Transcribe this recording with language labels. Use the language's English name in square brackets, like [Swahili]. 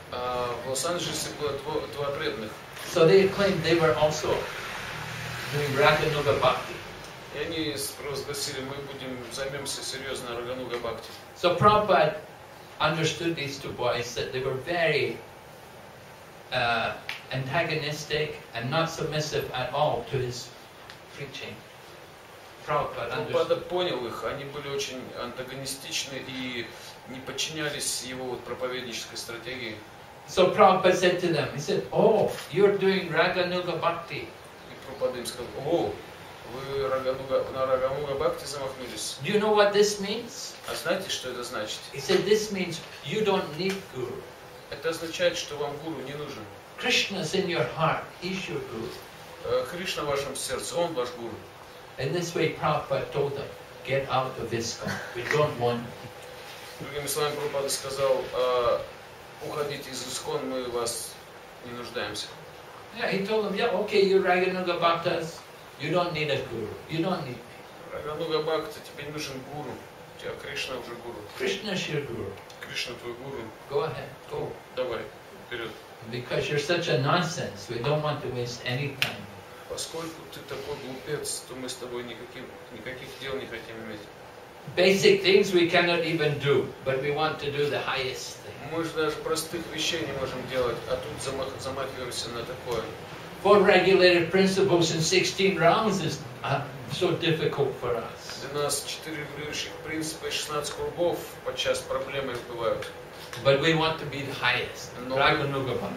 [Russian] В Лос-Анджелесе было два преданных. [English] So they claimed they were also doing Рагануга Бхакти. [Russian] И они провозгласили, мы будем займемся серьезно Рагануга Бхакти. [English] So Prabhupada understood these two boys that they were very antagonistic and not submissive at all to his preaching. Prabhupada [Russian] понял их, они были очень антагонистичны и не подчинялись его проповеднической стратегии. [English] So Prabhupada said to them, he said, oh, you're doing Рагануга Бхакти. [Russian] И Прабхупада им сказал, о, вы на Рагануга Бхакти замахнулись. [English] Do you know what this means? [Russian] А знаете, что это значит? [English] He said, this means you don't need guru. [Russian] Это означает, что вам гуру не нужен. [English] Krishna's in your heart, he's your guru. [Russian] Кришна в вашем сердце, он ваш гуру. [English] In this way, Prabhupada told them, get out of ISKCON, we don't want you. [Russian] Другими словами, Прабхупада сказал, уходите из ИСКОН, мы вас не нуждаемся. [English] Yeah, he told them, yeah, okay, you're Рагануга Бхактас, you don't need a guru, you don't need me. [Russian] Рагануга Бхакта, тебе не нужен гуру, у тебя Кришна уже гуру. [English] Krishna's your guru. [Russian] Кришна твой гуру. [English] Go ahead. Go. [Russian] Давай, вперед. [English] Because you're such a nonsense, we don't want to waste any time. [Russian] Поскольку ты такой глупец, то мы с тобой никаких дел не хотим иметь. [English] Basic things we cannot even do, but we want to do the highest thing. [Russian] Мы же даже простых вещей не можем делать, а тут замахиваемся на такое. [English] Four regulated principles in 16 rounds is so difficult for us. [Russian] Для нас четыре регулирующих принципа и 16 кругов подчас проблемы бывают. [English] But we want to be the highest. Рагануга Бхакта.